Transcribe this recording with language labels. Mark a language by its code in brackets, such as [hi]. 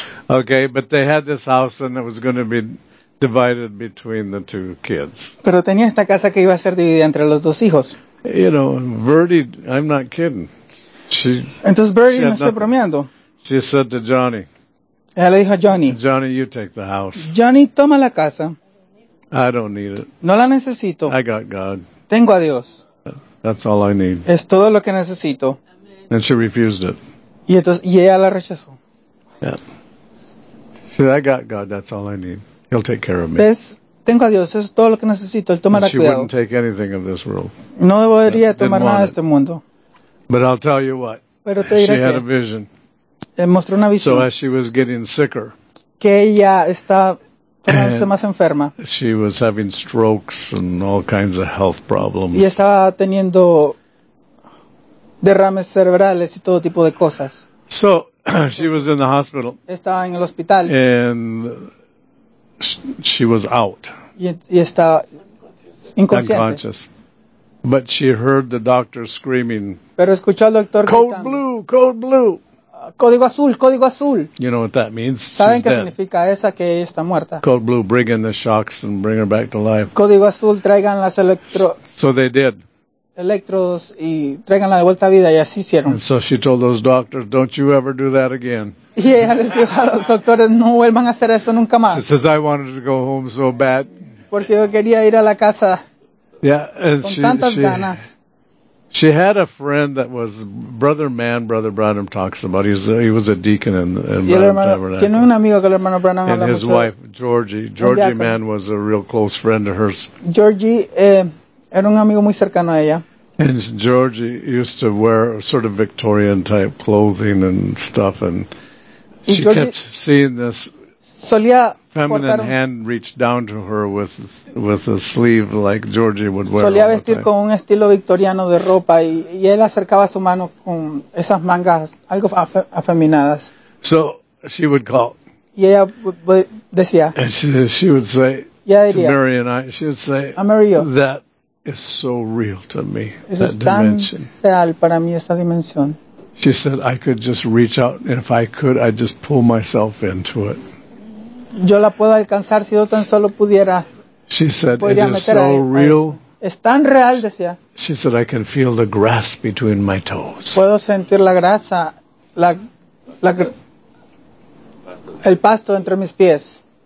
[en] Okay, but they had this house and it was going to be divided between the two kids. [es] Pero tenía esta casa que iba a ser dividida entre los dos hijos. [en] You know, Verdi, I'm not kidding. [es] Entonces Verdi no está bromeando. [en] She said to Johnny. [es] Ella le dijo a Johnny. [en] Johnny, you take the house. [es] Johnny, toma la casa. [en] I don't need it. [es] No la necesito. [en] I got God. [es] Tengo a Dios. [en] That's all I need. [es] Es todo lo que necesito. [en] And she refused it. [es] Y entonces, y ella la rechazó. [en] Yeah. See, I got God, that's all I need. He'll take care of me. [es] Pues, tengo a Dios, eso es todo lo que necesito. Él tomará cuidado. [en] She wouldn't take anything of this world. [es] No debería tomar nada de este mundo. [en] But I'll tell you what. [es] Pero te diré [en] she [es] que [en] had a vision. [es] Le mostró una visión. [en] So as she was getting sicker. [es] Que ella estaba tornándose más enferma. [en] She was having strokes and all kinds of health problems. [es] Y estaba teniendo derrames cerebrales y todo tipo de cosas. [en] So, she was in the hospital. [es] Estaba en el hospital. [en] And she was out. [es] Y estaba inconsciente. [en] Unconscious. But she heard the doctor screaming. [es] Pero escuchó al doctor [en] code [es] gritando. [en] Code blue, code blue. [es] Código azul, código azul. [en] You know what that means? [es] ¿Saben [en] she's [es] qué [en] dead. [es] Significa esa que ella está muerta? [en] Code blue, bring in the shocks and bring her back to life. [es] Código azul, traigan las electro. [en] So they did. [es] Electros y tráiganla de vuelta a vida y así hicieron. [en] And so she told those doctors, don't you ever do that again. [es] Y ella les dijo a los doctores, no vuelvan a hacer eso nunca más. [en] She says, I wanted to go home so bad. [es] Porque yo quería ir a la casa. [en] Yeah, and [es] con tantas ganas. [en] She had a friend that was Brother Man, Brother Branham talks about. He was a deacon in Branham Tabernacle. And his wife, Georgie. Georgie Man was a real close friend of hers. [es] Georgie era un amigo muy cercano a ella. [en] And Georgie used to wear sort of Victorian type clothing and stuff. And she kept seeing this feminine hand reached down to her with a sleeve like Georgie would wear. [es] Solía vestir con un estilo victoriano de ropa y él acercaba su mano con esas mangas algo afeminadas. [en] So she would call. [es] Y ella decía. [en] And she would say. [es] Diría, [en] to Mary and I, she would say. [es] A Mary y yo. [en] That is so real to me. [es] Eso [en] that dimension. [es] Es tan real para mí esa dimensión. [en] She said I could just reach out and if I could, I'd just pull myself into it. [es] Yo la puedo alcanzar si yo tan solo pudiera. [en] She said, it is so real. [es] Es tan real, decía. [en] She said, I can feel the grass between my toes. [es] Puedo sentir la grasa, el pasto entre mis pies.